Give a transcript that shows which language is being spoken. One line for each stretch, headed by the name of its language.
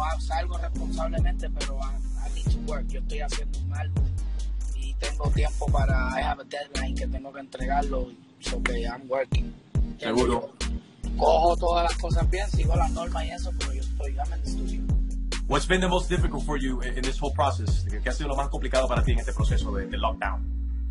Spanish: Lo hago, salgo responsablemente, pero
English: I need to work.
Spanish: Yo estoy haciendo un álbum y tengo tiempo para,
English: I have a deadline
Spanish: que tengo que entregarlo, so que
English: I'm working.
Spanish: Seguro. Cojo todas las cosas bien, sigo las normas y eso, pero yo estoy ya en el estudio.
English: What's been the most difficult for you in this whole process?
Spanish: ¿Qué ha sido lo más complicado para ti en este proceso de lockdown?